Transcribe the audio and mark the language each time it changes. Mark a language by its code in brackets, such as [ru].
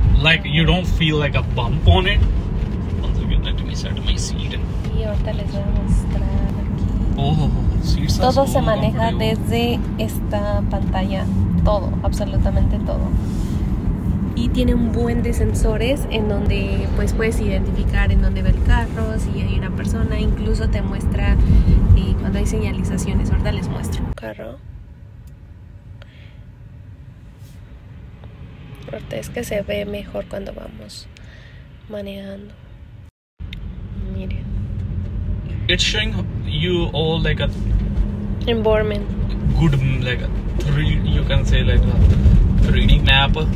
[en] Like, you don't feel like a bump on it. Once again, let me set my seat. [es] Y ahorita les voy a mostrar aquí. Oh, sí, está todo se maneja desde esta pantalla. Todo, absolutamente todo. Y tiene un buen de sensores en donde pues puedes identificar en dónde va el carro, si hay una persona, incluso te muestra cuando hay señalizaciones. Ahorita les muestro. Carro. Ahorita es que se ve mejor cuando vamos manejando. Miren. [en] It's showing you all like a environment. Good, like a 3D, you can say like a 3D map.